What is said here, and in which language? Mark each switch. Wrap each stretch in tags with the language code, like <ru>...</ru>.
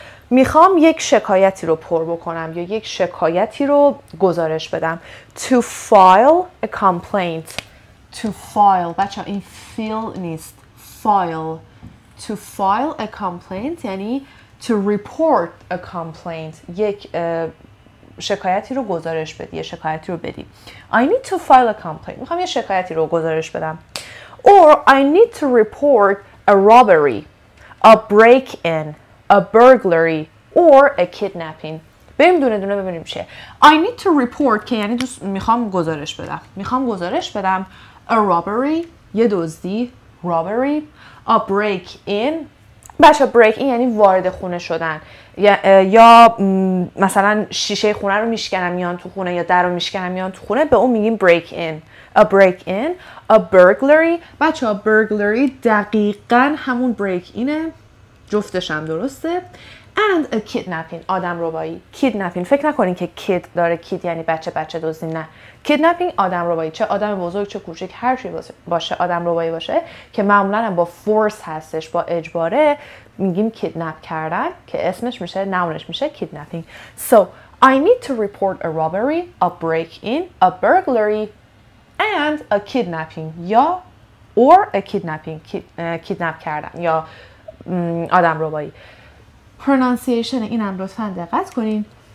<fa>میخوام یک شکایتی رو پر بکنم یا یک شکایتی رو گزارش بدم.</fa> <en>To file a complaint.</en> <fa>بچه این feel نیست.</fa> <en>File. To file a complaint</en> <fa>یعنی</fa> <en>to report a complaint.</en> <fa>یک شکایتی رو گزارش بدی، یه شکایتی رو بدی.</fa> <en>I need to file a complaint.</en> <fa>میخوام یه شکایتی رو گزارش بدم.</fa> <en>Or I need to report a robbery, a break-in, a burglary, or a kidnapping.</en> <fa>بریم دونه دونه ببینیم چه.</fa> <en>I need to report</en> <fa>که یعنی دوست میخوام گزارش بدم. میخوام گزارش بدم</fa> <en>a robbery،</en> <fa>یه دزدی، robbery،</fa> <en>a break-in.</en> <fa>بچه break این یعنی وارد خونه شدن، یا مثلا شیشه خونه رو میشکنن میان تو خونه، یا در رو میشکنن میان تو خونه، به اون میگیم break in.</fa> <en>A break in. A burglary.</en> <fa>بچه ها burglary دقیقا همون break اینه، جفتش هم درسته.</fa> <en>And a kidnapping،</en> <fa>آدم ربایی. kidnapping، فکر نکنین که kid داره، kid یعنی بچه، بچه دزدی، نه. kidnapping آدم ربایی، چه آدم بزرگ چه کوچک، هر چی باشه آدم ربایی باشه، که معمولا هم با force هستش، با اجباره، میگیم kidnap کردن، که اسمش میشه، نامش میشه kidnapping.</fa> <en>So I need to report a robbery, a break in, a burglary and a kidnapping.</en> <fa>یا</fa> <en>or a kidnapping،</en> <fa>kidnap کردن یا آدم ربایی. پرونانسیشن اینم لطفا دقت کنین.</fa>